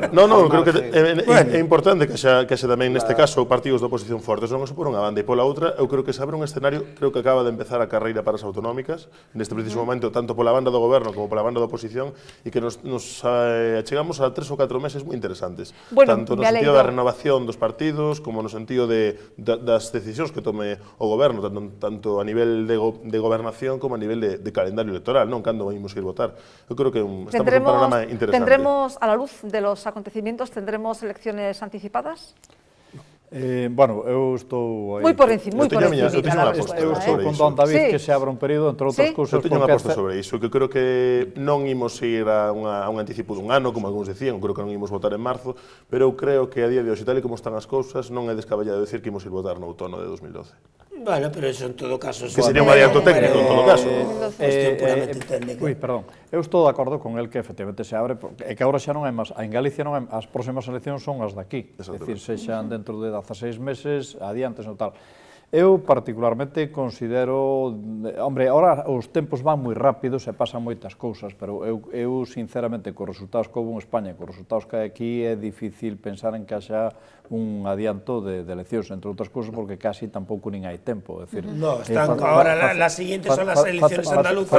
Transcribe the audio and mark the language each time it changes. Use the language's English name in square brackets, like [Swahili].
[Galician] creo que é importante que xa tamén neste caso partidos da oposición forte, non é por unha banda. E pola outra, eu creo que se abre un escenario, creo que acaba de empezar a carreira para as autonómicas, neste preciso momento, tanto pola banda do goberno como pola banda da oposición, e que nos achegamos a 3 ou 4 meses moi interesantes. Bueno, tanto no sentido da renovación dos partidos, como no sentido das decisións que tome o goberno, tanto a nivel de gobernación como a nivel de calendario electoral, non cando vamos ir votar. Eu creo que estamos en un panorama interesante. [Spanish] Tendremos, a la luz de los acontecimientos, tendremos elecciones anticipadas? [Galician] Bueno, eu estou... Moi por encima, moi por encima. Eu teño unha aposta sobre iso. Eu estou con don David que se abra un período, entre outras cousas... Eu teño unha aposta sobre iso, que creo que non imos ir a un anticipo dun ano, como algúns decían, creo que non imos votar en marzo, pero eu creo que a día de hoxe, tal e como están as cousas, non é descabellado decir que imos ir votar no outono de 2012. Bueno, pero iso en todo caso... Que sería un adianto técnico, en todo caso. Ui, perdón. Eu estou de acordo con el que efectivamente se abre, e que agora xa non é máis... En Galicia non é máis... As próximas eleccións son as daqui. É dicir, se xan dentro de 16 meses, adiante, xa tal. Eu particularmente considero... [Spanish] Hombre, ahora [Galician] os tempos van moi rápido, se pasan moitas cousas, pero eu, sinceramente, cos resultados que houve en España, cos resultados que hai aquí, é difícil pensar en que haxa un adianto de eleccións, entre outras cousas, porque casi tampouco nin hai tempo. [Spanish] Es decir, no, están, ahora las siguientes son las elecciones andaluzas.